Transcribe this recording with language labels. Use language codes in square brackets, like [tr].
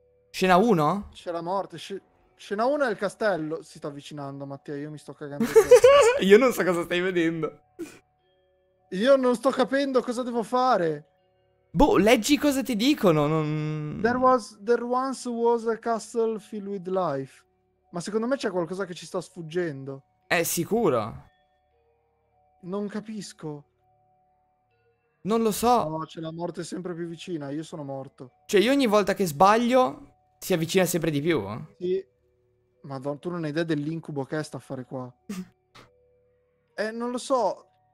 [it] Scena 1? C'è la morte. Scena 1 è il castello. Si sta avvicinando, Mattia. Io mi sto cagando addosso. Io non so cosa stai vedendo. Io non sto capendo cosa devo fare. Boh, leggi cosa ti dicono, non... [en] There once was a castle filled with life. [it] Ma secondo me c'è qualcosa che ci sta sfuggendo. È sicuro. Non capisco. Non lo so. No, c'è la morte sempre più vicina. Io sono morto. Cioè, io ogni volta che sbaglio si avvicina sempre di più. Sì. Madonna, tu non hai idea dell'incubo che è sta a fare qua. Non lo so.